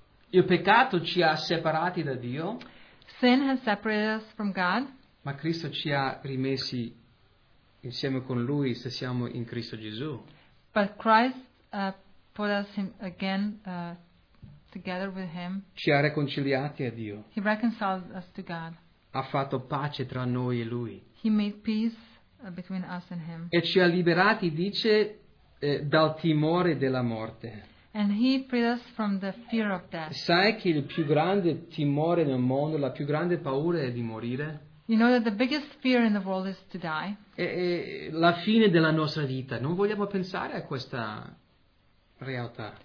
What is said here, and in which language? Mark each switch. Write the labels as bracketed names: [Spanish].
[Italian] Il peccato ci ha separati da Dio. [English] Sin has separated us from God. [Italian] Ma Cristo ci ha rimessi insieme con Lui se siamo in Cristo Gesù. [English] But Christ put us again together with Him. [Italian] Ci ha riconciliati a Dio. [English] He reconciled us to God. [Italian] Ha fatto pace tra noi e Lui. [English] He made peace between us and Him. [Italian] E ci ha liberati, dice, dal timore della morte. [English] And he freed us from the fear of death. [Italian] Sai che il più grande timore nel mondo, la più grande paura è di morire? [English] You know that the biggest fear in the world is to die. [Italian] E la fine della nostra vita. Non vogliamo pensare a questa realtà.